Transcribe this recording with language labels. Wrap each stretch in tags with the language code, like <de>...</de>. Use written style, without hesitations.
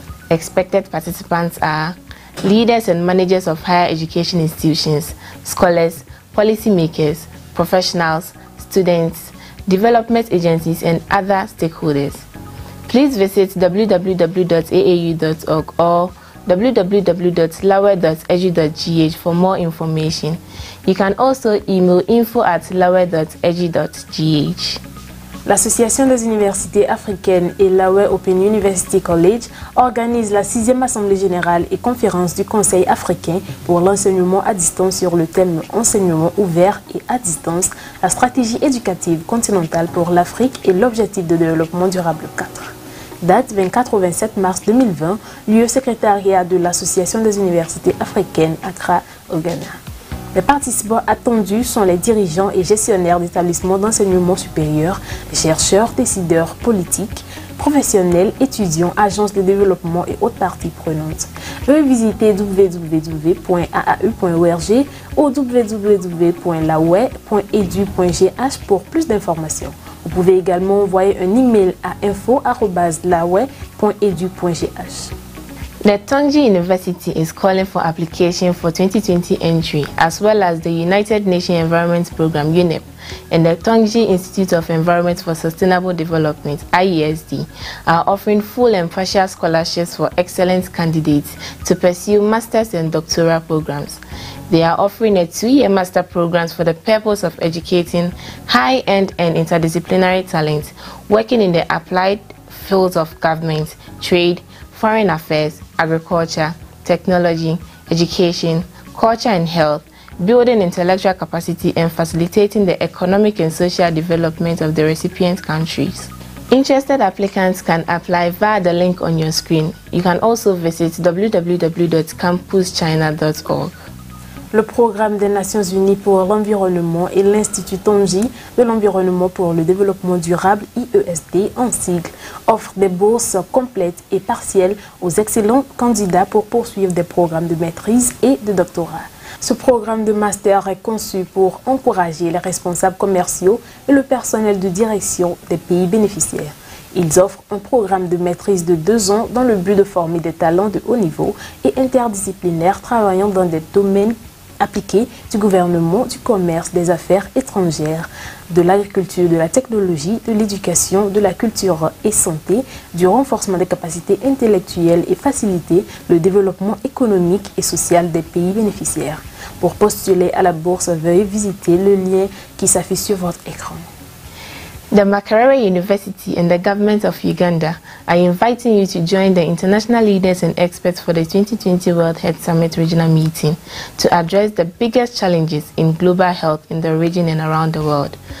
<en>Expected participants are leaders and managers of higher education institutions, scholars, policymakers, professionals, students, development agencies, and other stakeholders. Please visit www.aau.org or www.lower.edu.gh for more information. You can also email info@lower.edu.gh.</en> <fr>L'Association des universités africaines et Lower Open University College organise la 6e Assemblée générale et conférence du Conseil africain pour l'enseignement à distance sur le thème « Enseignement ouvert et à distance, la stratégie éducative continentale pour l'Afrique et l'objectif de développement durable 4 ». Date 24 au 27 mars 2020, lieu secrétariat de l'Association des universités africaines, Accra, au Ghana. Les participants attendus sont les dirigeants et gestionnaires d'établissements d'enseignement supérieur, chercheurs, décideurs, politiques, professionnels, étudiants, agences de développement et autres parties prenantes. Veuillez visiter www.aau.org ou www.laue.edu.gh pour plus d'informations. Vous pouvez également envoyer un email à info@laue.edu.gh.</fr> <en>The Tongji University is calling for application for 2020 entry, as well as the United Nations Environment Programme, UNEP, and the Tongji Institute of Environment for Sustainable Development, IESD, are offering full and partial scholarships for excellent candidates to pursue master's and doctoral programs. They are offering a two-year master program for the purpose of educating high-end and interdisciplinary talent working in the applied fields of government, trade, foreign affairs, agriculture, technology, education, culture and health, building intellectual capacity and facilitating the economic and social development of the recipient countries. Interested applicants can apply via the link on your screen. You can also visit www.campuschina.org.</en> <fr>Le programme des Nations Unies pour l'environnement et l'Institut Tongji de l'environnement pour le développement durable, IESD en sigle, offre des bourses complètes et partielles aux excellents candidats pour poursuivre des programmes de maîtrise et de doctorat. Ce programme de master est conçu pour encourager les responsables commerciaux et le personnel de direction des pays bénéficiaires. Ils offrent un programme de maîtrise de 2 ans dans le but de former des talents de haut niveau et interdisciplinaires travaillant dans des domaines appliqués du gouvernement, du commerce, des affaires étrangères, de l'agriculture, de la technologie, de l'éducation, de la culture et santé, du renforcement des capacités intellectuelles et faciliter le développement économique et social des pays bénéficiaires. Pour postuler à la bourse, veuillez visiter le lien qui s'affiche sur votre écran.</fr> <en>The Makerere University and the government of Uganda are inviting you to join the international leaders and experts for the 2020 World Health Summit regional meeting to address the biggest challenges in global health in the region and around the world.</en>